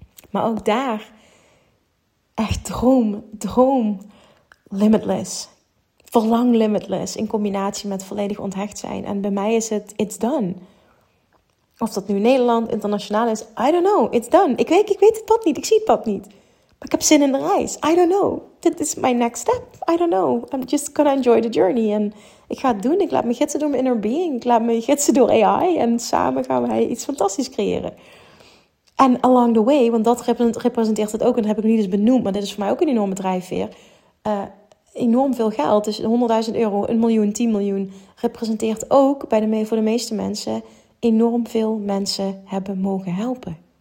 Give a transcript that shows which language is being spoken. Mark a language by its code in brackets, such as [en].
[nl] Maar ook daar, echt droom, limitless. Verlang limitless in combinatie met volledig onthecht zijn. En bij mij is het, [en] it's done. [nl] Of dat nu Nederland, internationaal is, [en] I don't know, it's done. [nl] Ik weet het pad niet, ik zie het pad niet. Maar ik heb zin in de reis, [en] I don't know. This is my next step, I don't know. I'm just gonna enjoy the journey. [nl] En ik ga het doen, ik laat me gidsen door mijn inner being. Ik laat me gidsen door AI en samen gaan wij iets fantastisch creëren. En [en] along the way, [nl] want dat representeert het ook, en dat heb ik niet eens benoemd, maar dit is voor mij ook een enorme drijfveer. Enorm veel geld, dus 100.000 euro, 1 miljoen, 10 miljoen, representeert ook voor de meeste mensen enorm veel mensen hebben mogen helpen.